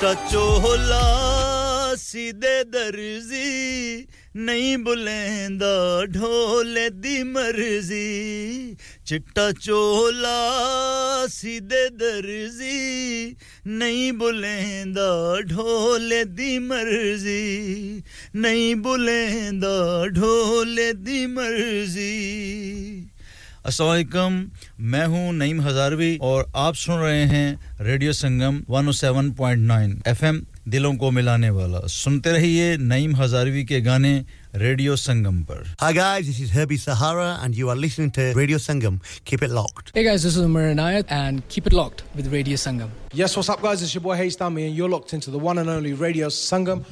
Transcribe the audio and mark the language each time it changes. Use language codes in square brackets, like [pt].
[pa] ਚੋਹਲਾ ਸਿੱਧੇ ਦਰਜ਼ੀ ਨਹੀਂ ਬੁਲੈਂਦਾ ਢੋਲੇ ਦੀ ਮਰਜ਼ੀ ਚਿੱਟਾ ਚੋਹਲਾ ਸਿੱਧੇ ਦਰਜ਼ੀ ਨਹੀਂ ਬੁਲੈਂਦਾ ਢੋਲੇ ਦੀ ਮਰਜ਼ੀ ਨਹੀਂ ਬੁਲੈਂਦਾ ਢੋਲੇ ਦੀ ਮਰਜ਼ੀ [hi] अस्सलाम वालेकुम मैं हूं नईम हजारवी और आप सुन रहे हैं रेडियो संगम 107.9 एफएम दिलों को मिलाने वाला सुनते रहिए नईम हजारवी के गाने रेडियो संगम पर [en] Hi guys this is Herbie Sahara and you are listening to Radio Sangam keep it locked Hey guys this is Marin Ayat and keep it locked with Radio Sangam Yes what's up guys it's your boy Haystami and you're locked into the one and only Radio Sangam